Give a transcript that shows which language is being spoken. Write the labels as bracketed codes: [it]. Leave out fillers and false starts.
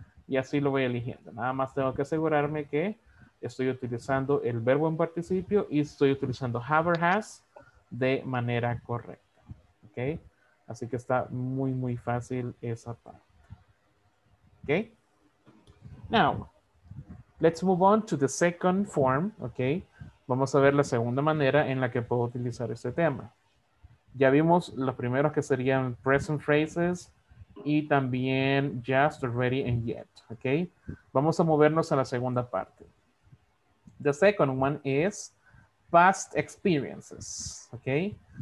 [es] Y así lo voy eligiendo. Nada más tengo que asegurarme que estoy utilizando el verbo en participio y estoy utilizando have or has de manera correcta, ok. Así que está muy, muy fácil esa parte, ok. [en] Now, let's move on to the second form, ok. [es] Vamos a ver la segunda manera en la que puedo utilizar este tema. Ya vimos los primeros que serían present phrases y también just, already, and yet. Okay? Vamos a movernos a la segunda parte. [en] The second one is past experiences. Okay?